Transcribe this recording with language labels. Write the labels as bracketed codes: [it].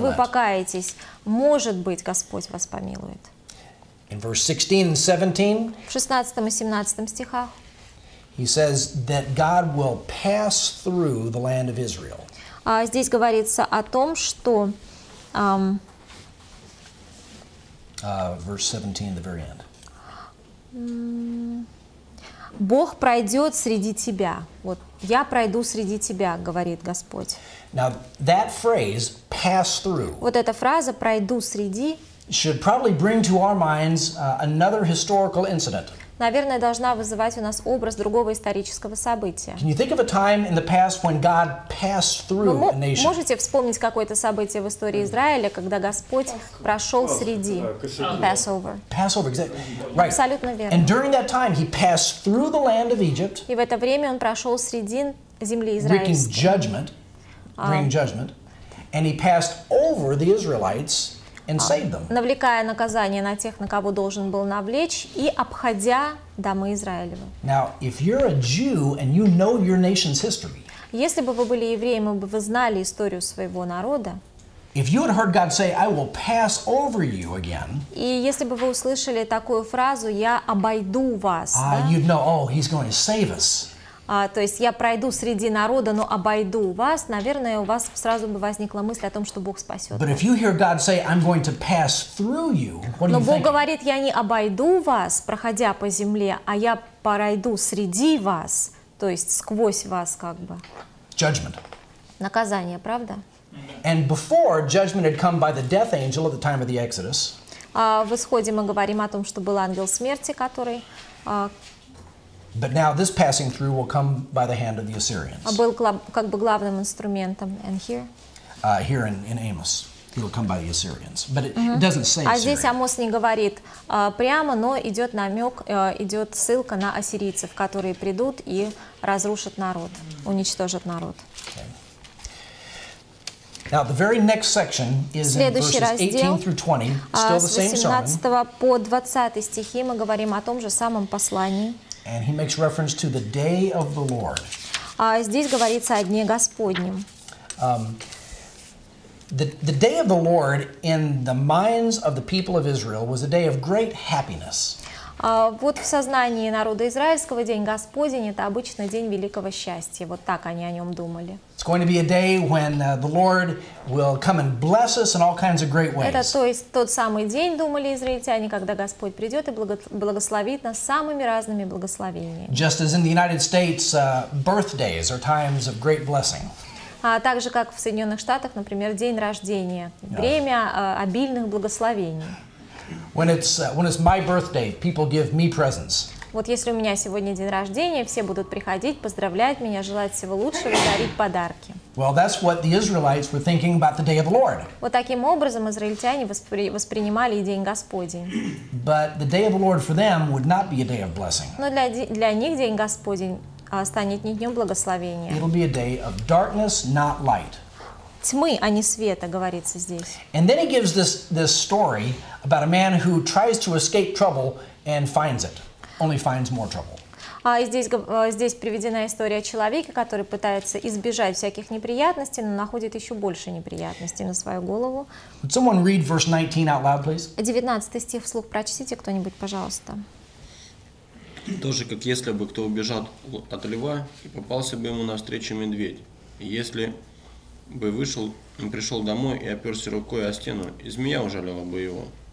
[ru] вы покаетесь, может быть, Господь вас помилует. [en] In verse 16 and 17, [ru] в 16 и 17 стихах [en] he says that God will pass through the land of Israel. [ru] Здесь говорится о том, что... [en] verse 17, the very end. [ru] Бог пройдет среди тебя. Вот, я пройду среди тебя, говорит Господь. [en] Now, that phrase, pass through, [ru] вот эта фраза, пройду среди, [en] should probably bring to our minds another historical incident. [ru] Наверное, должна вызывать у нас образ другого исторического события. [en] Can you think of a time in the past when God passed through a nation? [ru] Вы можете вспомнить какое-то событие в истории Израиля, когда Господь прошел среди? [en] Passover. Passover, exactly. Right. [ru] Абсолютно верно. [en] And during that time, he passed through the land of Egypt. [ru] И в это время он прошел среди земли израильской. [en] Bringing judgment, and he passed over the Israelites. And save them. [ru] Навлекая наказание на тех, на кого должен был навлечь, и обходя домы Израилевы. [en] Now, if you're a Jew and you know your nation's history, [ru] Если бы вы были евреем, вы бы знали историю своего народа. [en] If you had heard God say, "I will pass over you again," [ru] и если бы вы услышали такую фразу, "Я обойду вас," да? [en] You'd know, "Oh, He's going to save us." [ru] То есть я пройду среди народа, но обойду вас. Наверное, у вас сразу бы возникла мысль о том, что Бог спасет. [en] But if you hear God say, "I'm going to pass through you," what do [ru] Но Бог говорит, я не обойду вас, проходя по земле, а я пройду среди вас, то есть сквозь вас, как бы. [en] Judgment. [ru] Наказание, правда? [en] And before judgment had come by the death angel at the time of the Exodus. [ru] В исходе мы говорим о том, что был ангел смерти, который. [en] But now this passing through will come by the hand of the Assyrians. [ru] Был как бы главным инструментом, [en] and here. Here in Amos, it will come by the Assyrians, but it, mm-hmm. it doesn't say. [ru] А здесь Амос не говорит прямо, но идет намек, идет ссылка на ассирийцев, которые придут и разрушат народ, уничтожат народ. [en] Now the very next section is [ru] Следующий [en] in verses 18 through 20, still the same sermon. [ru] С 18 по 20 стихи мы говорим о том же самом послании. [en] And he makes reference to the day of the Lord. [ru] Здесь говорится о дне Господнем. [en] The day of the Lord in the minds of the people of Israel was a day of great happiness. [ru] Вот в сознании народа израильского день Господень — это обычно день великого счастья. Вот так они о нем думали. [en] It's going to be a day when the Lord will come and bless us in all kinds of great ways. [ru] Это то есть тот самый день, думали израильтяне, когда Господь придет и благословит нас самыми разными благословениями. [en] Just as in the United States, birthdays are times of great blessing. [ru] Так же, как в Соединенных Штатах, например, день рождения — время обильных благословений. [en] When it's my birthday, people give me presents. [ru] Вот если у меня сегодня день рождения, все будут приходить, поздравлять меня, желать всего лучшего, дарить подарки. [en] Well, that's what the Israelites were thinking about the day of the Lord. [ru] Вот таким образом израильтяне воспринимали и день Господень. [en] But the day of the Lord for them would not be a day of blessing. [ru] Но для них день Господень станет не днем благословения. [en] It'll be a day of darkness, not light. [ru] Тьмы, а не света, говорится здесь. [en] And then he gives this story about a man who tries to escape trouble and finds it, only finds more trouble. [ru] Здесь приведена история о человеке, который пытается избежать всяких неприятностей, но находит еще больше неприятностей на свою голову. [en] Would someone read verse 19 out loud, please? [ru] 19 стих вслух прочтите кто-нибудь, пожалуйста. Тоже как если бы кто убежал от льва и попался бы ему навстречу медведь, если бы вышел, пришел домой и оперся рукой о стену, и змея ужалила бы его.